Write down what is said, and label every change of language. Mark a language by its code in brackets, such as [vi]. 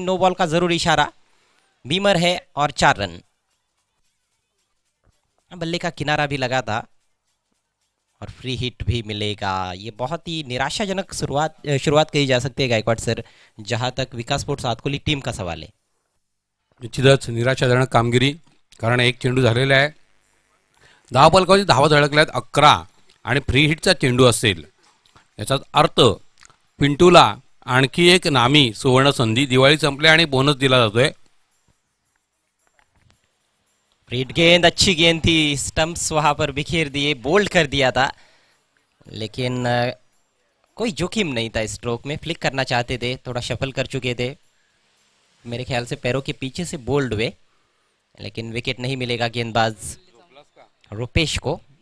[hi] No ball का जरूर इशारा, बीमर है और 4 रन। बल्ले का किनारा भी लगा था और फ्री हिट भी मिलेगा। ये बहुत ही निराशाजनक शुरुआत कही जा सकती है गायकवाड़ सर, जहां तक विकास स्पोर्ट्स आतकोली टीम का सवाल है। [mr] निश्चितच निराशाजनक कामगिरी, कारण एक चेंडू झालेला आहे, 10 बॉलकावर 10 धडकल्यात 11 आणि फ्री हिटचा चेंडू असेल, याचा अर्थ पिंटूला आणखी एक नामी सुवर्ण संधी, दिवाळी संपली आणि बोनस दिला जातोय। [hi] प्रीट गेंद, अच्छी गेंद थी, स्टंप्स वहां पर बिखेर दिए, बोल्ड कर दिया था, लेकिन कोई जोखिम नहीं था स्ट्रोक में, फ्लिक करना चाहते थे, थोड़ा शफल कर चुके थे, मेरे ख्याल से पैरों के पीछे से बोल्ड हुए, लेकिन विकेट नहीं मिलेगा गेंदबाज रुपेश को।